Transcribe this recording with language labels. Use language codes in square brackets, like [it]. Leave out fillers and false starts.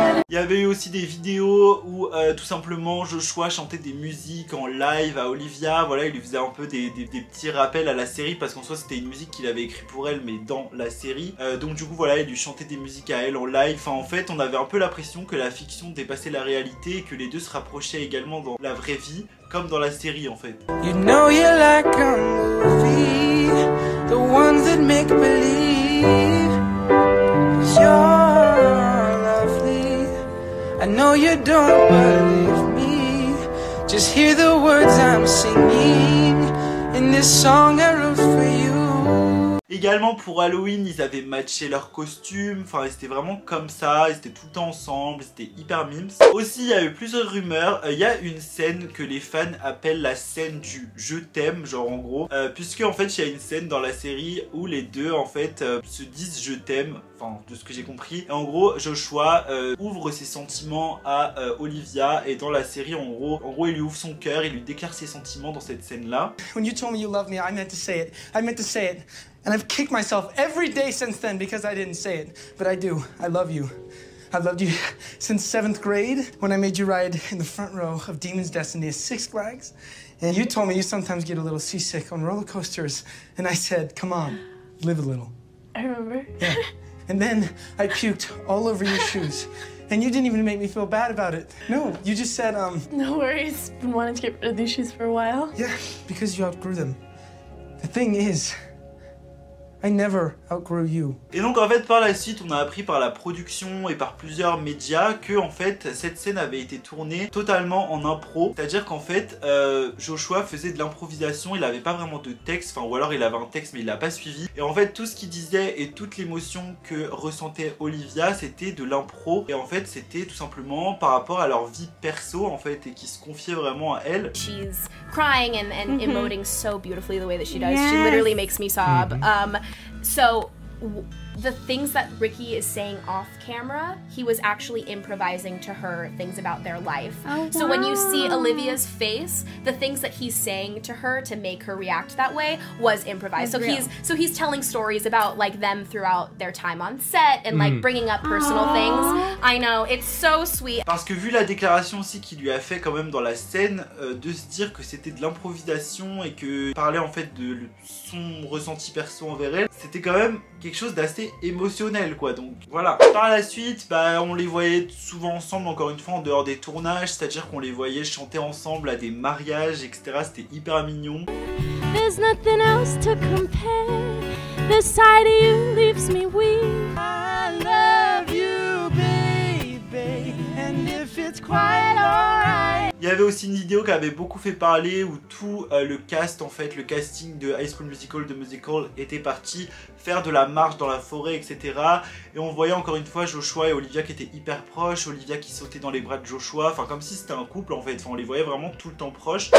[fr] Il y avait eu aussi des vidéos où tout simplement Joshua chantait des musiques en live à Olivia. Voilà, il lui faisait un peu des petits rappels à la série, parce qu'en soi c'était une musique qu'il avait écrite pour elle, mais dans la série. Donc du coup voilà, il lui chantait des musiques à elle en live. Enfin en fait, on avait un peu l'impression que la fiction dépassait la réalité et que les deux se rapprochaient également dans la vraie vie, comme dans la série en fait. [en] You know you like a movie, the ones that make believe. You're lovely. I know you don't believe me. Just hear the words I'm singing in this song I wrote for you. [fr] Également pour Halloween, ils avaient matché leurs costumes, enfin ils étaient vraiment comme ça, ils étaient tout le temps ensemble, c'était hyper mimes. Aussi, il y a eu plusieurs rumeurs, il y a une scène que les fans appellent la scène du je t'aime, genre en gros, puisque en fait il y a une scène dans la série où les deux en fait se disent je t'aime, enfin de ce que j'ai compris. Et en gros, Joshua ouvre ses sentiments à Olivia, et dans la série en gros il lui ouvre son cœur, il lui déclare ses sentiments dans cette scène là. [en] When you told me you love me, I meant to say it. I meant to say it. And I've kicked myself every day since then because I didn't say it. But I do. I love you. I've loved you since seventh grade when I made you ride in the front row of Demon's Destiny at Six Flags. And you told me you sometimes get a little seasick on roller coasters. And I said, come on, live a little. I remember. Yeah. And then I puked all over your shoes. And you didn't even make me feel bad about it. No, you just said, No worries. Been wanting to get rid of these shoes for a while. Yeah, because you outgrew them. The thing is, I never outgrew you. [fr] Et donc en fait par la suite on a appris par la production et par plusieurs médias que en fait cette scène avait été tournée totalement en impro. C'est-à-dire qu'en fait Joshua faisait de l'improvisation, il avait pas vraiment de texte, enfin ou alors il avait un texte mais il l'a pas suivi. Et en fait tout ce qu'il disait et toute l'émotion que ressentait Olivia c'était de l'impro. Et en fait c'était tout simplement par rapport à leur vie perso en fait et qui se confiait vraiment à elle. [en] She's crying and emoting so beautifully the way that she does. Yes. She literally makes me sob. So the things that Ricky is saying off camera, he was actually improvising to her things about their life. Oh, wow. So when you see Olivia's face, the things that he's saying to her to make her react that way was improvised. That's so real. He's telling stories about like them throughout their time on set and like bringing up personal things. I know, it's so sweet. [fr] Parce que vu la déclaration aussi qu'il lui a fait quand même dans la scène, de se dire que c'était de l'improvisation et que parler en fait de son ressenti perso envers elle, c'était quand même quelque chose d'assez émotionnel quoi, donc voilà. Par la suite bah on les voyait souvent ensemble, encore une fois en dehors des tournages, c'est à dire qu'on les voyait chanter ensemble à des mariages etc, c'était hyper mignon. [en] There's nothing else to compare, the sight of you leaves me weak. I love you baby, and if it's quiet alright. [fr] Il y avait aussi une vidéo qui avait beaucoup fait parler où tout le cast, en fait, le casting de High School Musical, de Musical, était parti faire de la marche dans la forêt, etc. Et on voyait encore une fois Joshua et Olivia qui étaient hyper proches, Olivia qui sautait dans les bras de Joshua, enfin comme si c'était un couple en fait, enfin on les voyait vraiment tout le temps proches.